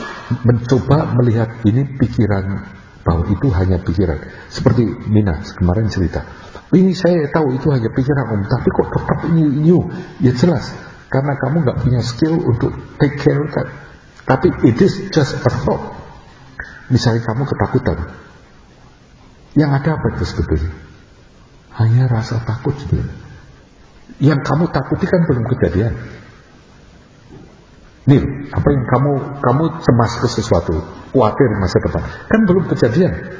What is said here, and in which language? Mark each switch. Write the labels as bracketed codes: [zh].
[id] Mencoba melihat ini pikiran, bahwa itu hanya pikiran. Seperti Nina kemarin cerita, ini saya tahu itu hanya pikiran om, tapi kok tetap new. Ya jelas, karena kamu gak punya skill untuk [en] take care of that. Tapi it is just a thought. [id] Misalnya kamu ketakutan, yang ada apa itu sebetulnya? Hanya rasa takut sebetulnya. Yang kamu takuti kan belum kejadian. Nih, apa yang kamu cemas ke sesuatu, khawatir masa depan, kan belum kejadian.